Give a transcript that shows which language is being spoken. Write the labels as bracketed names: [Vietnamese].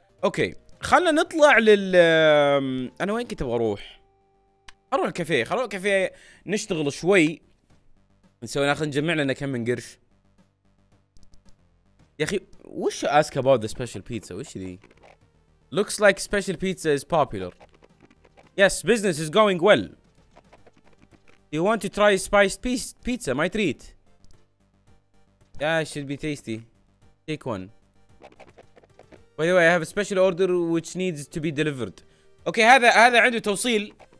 [Arabic] اوكي خلنا نطلع لل، انا وين كنت ابغى اروح؟ اروح الكافيه، خلونا الكافيه نشتغل شوي، نسوي ناخذ نجمع لنا كم من قرش. يا اخي وش [English] Ask about the special pizza? [Arabic] وش ذي؟ [English] Looks like special pizza is popular. Yes, business is going well. You want to try spiced pizza? My treat. Yeah, it should be tasty. Take one. By the way, I have a special order which needs to be delivered. [Arabic] Okay, هذا عنده توصيل.